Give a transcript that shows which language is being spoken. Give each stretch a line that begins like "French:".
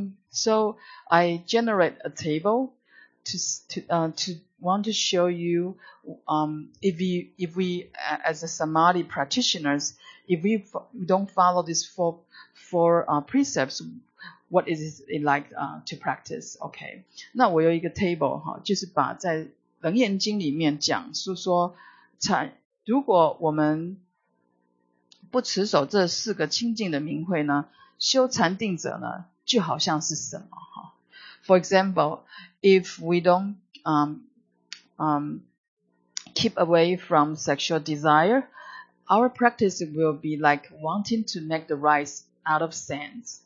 English: So I generate a table to want to show you if we as a samadhi practitioners, if we don't follow these four precepts, what is it like to practice?
Chinese: Okay, 那我有一个 table 哈，就是把在楞严经里面讲是说，如果我们不持守这四个清净的明慧呢，修禅定者呢。就好像是什么
English: For example, if we don't keep away from sexual desire, our practice will be like wanting to make the rice out of sand.